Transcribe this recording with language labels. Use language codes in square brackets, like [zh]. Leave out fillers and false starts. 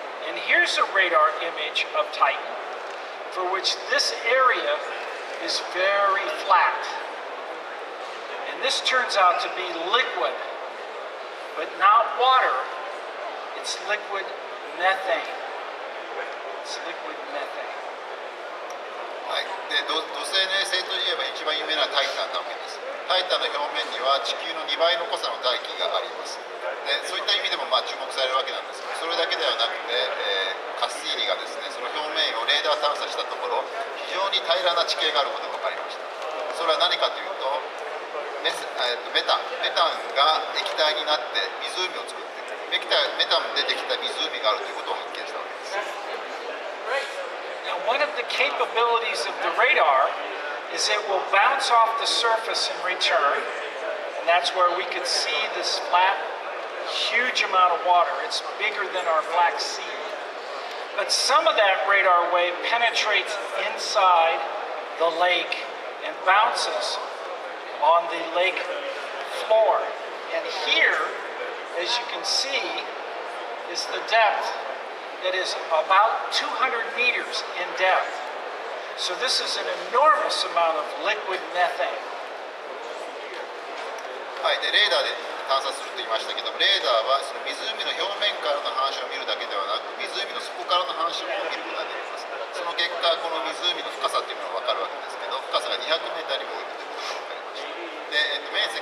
[en] And here's a radar image of Titan, for which this area is very flat. And this turns out to be liquid, but not water. It's liquid methane. It's liquid methane. [ja] はい、で土星の衛星といえば一番有名なタイタンなわけです。タイタンの表面には地球の2倍の濃さの大気があります。でそういった意味でもまあ注目されるわけなんですが、それだけではなくて、カッシーニがですね、その表面をレーダー探査したところ、非常に平らな地形があることが分かりました。それは何かというと、メタンが液体になって湖を作っている。メタンでできた湖があるということを発見したわけです。 [en] One of the capabilities of the radar is it will bounce off the surface and return, and that's where we could see this flat, huge amount of water. It's bigger than our Black Sea. But some of that radar wave penetrates inside the lake and bounces on the lake floor. And here, as you can see, is the depth. That is about 200 meters in depth. So this is an enormous amount of liquid methane. [ja] はい、でレーダーで探査すると言いましたけど、レーダーはその湖の表面からの反射を見るだけではなく、湖の底からの反射も見ることができます。その結果、この湖の深さというのが分かるわけですけど、深さが200メートルにも及ぶということが分かりました。